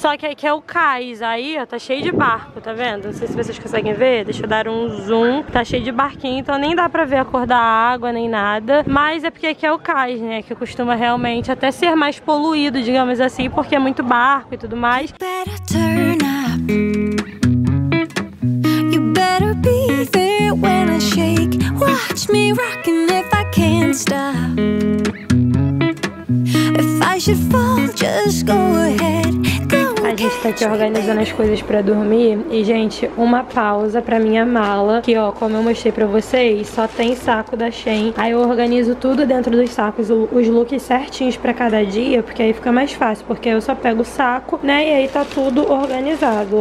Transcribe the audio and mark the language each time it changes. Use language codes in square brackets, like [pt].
[pt] Só que aqui é o cais. Aí, ó, tá cheio de barco, tá vendo? Não sei se vocês conseguem ver. Deixa eu dar um zoom. Tá cheio de barquinho, então nem dá pra ver a cor da água, nem nada. Mas é porque aqui é o cais, né? Que costuma realmente até ser mais poluído, digamos assim, porque é muito barco e tudo mais. [en] Turn up. You better be there when I shake. Watch me rocking if I can't stop. If I should fall, just go ahead. [pt] A gente tá aqui organizando as coisas pra dormir. E, gente, uma pausa pra minha mala. Que, ó, como eu mostrei pra vocês, só tem saco da Shein. Aí eu organizo tudo dentro dos sacos, os looks certinhos pra cada dia. Porque aí fica mais fácil, porque aí eu só pego o saco, né? E aí tá tudo organizado.